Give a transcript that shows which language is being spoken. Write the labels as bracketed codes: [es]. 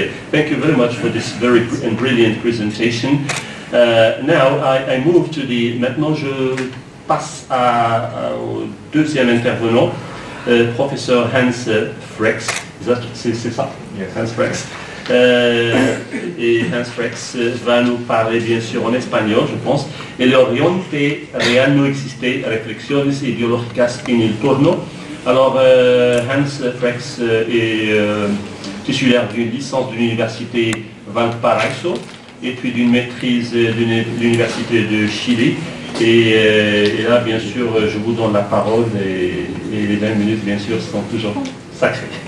[en] Thank you very much for this very brilliant presentation. Now I move to the... [fr] Maintenant je passe à, au deuxième intervenant, Professor Hans Frex. [en] Is that, [fr] c'est ça? [en] Yes. Hans Frex. [fr] Et Hans Frex va nous parler bien sûr en espagnol, je pense. [es] El Oriente Real No Existe, Reflexiones Ideológicas en el Torno. [fr] Alors, Hans Frex est titulaire d'une licence de l'université Valparaiso et puis d'une maîtrise de l'université de Chili. Et là, bien sûr, je vous donne la parole et les 20 minutes, bien sûr, sont toujours sacrées.